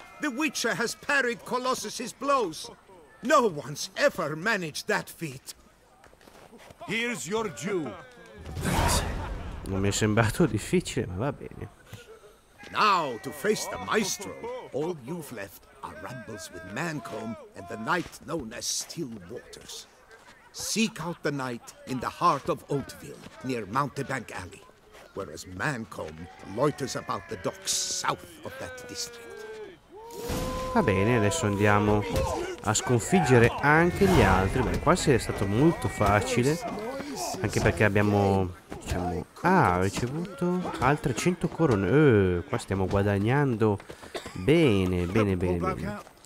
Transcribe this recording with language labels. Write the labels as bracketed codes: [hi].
[en] The Witcher has parried Colossus's blows. No one's ever managed that feat. Here's your due. [it] Non mi è sembrato difficile, ma va bene. [en] Now to face the maestro. All you've left are rambles with Mancombe and the knight known as Still Waters. Seek out the knight in the heart of Oatville, near Mountebank Alley, whereas Mancombe loiters about the docks south of that district. [it] Va bene, adesso andiamo a sconfiggere anche gli altri. Beh, qua si è stato molto facile, anche perché abbiamo, diciamo, ricevuto altre 100 corone. Qua stiamo guadagnando bene, bene, bene, bene.